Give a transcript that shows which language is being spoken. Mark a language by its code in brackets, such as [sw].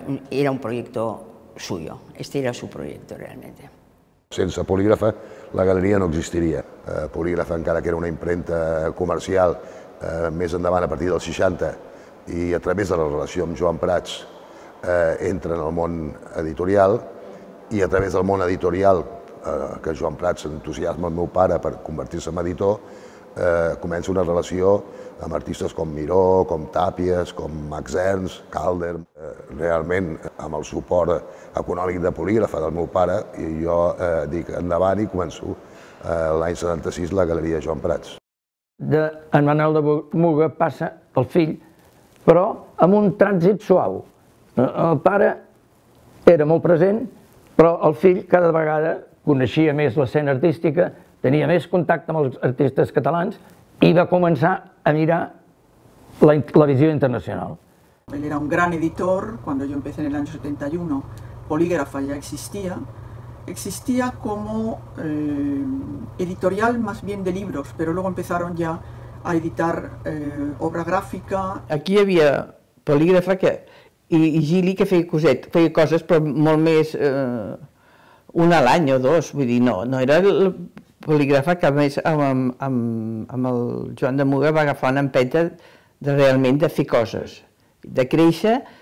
[es] Era un proyecto suyo. Este era su proyecto realmente. [ca] Sense polígrafa la galeria no existiria. Polígrafa, encara que era una impremta comercial, més endavant, a partir dels 60, i a través de la relació amb Joan Prats, entra en el món editorial, i a través del món editorial, que Joan Prats entusiasma el meu pare per convertir-se en editor, comença una relació amb artistes com Miró, com Tàpies, com Max Ernst, Calder. Realment, amb el suport econòmic de polígrafa del meu pare, i jo dic endavant i començo l'any 76 la galeria Joan Prats. En Manuel de Muga passa pel fill, però amb un trànsit suau. El pare era molt present, però el fill cada vegada coneixia més l'escena artística, tenia més contacte amb els artistes catalans i va començar a mirar la visió internacional. [es] Él era un gran editor cuando yo empecé en el año 71. Polígrafa ya existía. Existía como editorial más bien de libros, pero luego empezaron ya a editar obra gráfica. Aquí había Polígrafa [ca] y Gili que feia cosetes, feia coses però molt més una a l'any o dos, vull dir, no era el Polígrafa que a més amb el Joan de Muga va agafar una empenta de realment de fer coses, de créixer